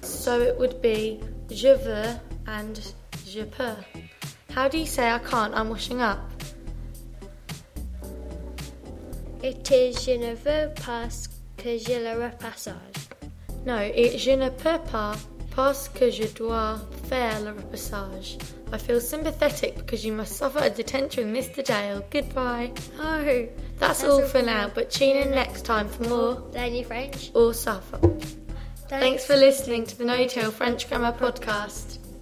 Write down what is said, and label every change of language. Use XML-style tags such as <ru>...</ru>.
<en>So it would be</en> <fr>je veux</fr> <en>and</en> <fr>je peux.</fr> <en>How do you say I can't, I'm washing up? It is</en> <fr>je ne veux pas que j'ai le repassage.</fr> <en>No, it's</en> <fr>je ne peux pas parce que je dois faire le repassage.</fr> <en>I feel sympathetic because you must suffer a detention, Mr. Dale. Goodbye. Oh. That's all for now, but tune in next time for more. Learn your French. Or suffer. Thanks for listening to the No Till French Grammar Podcast.</en>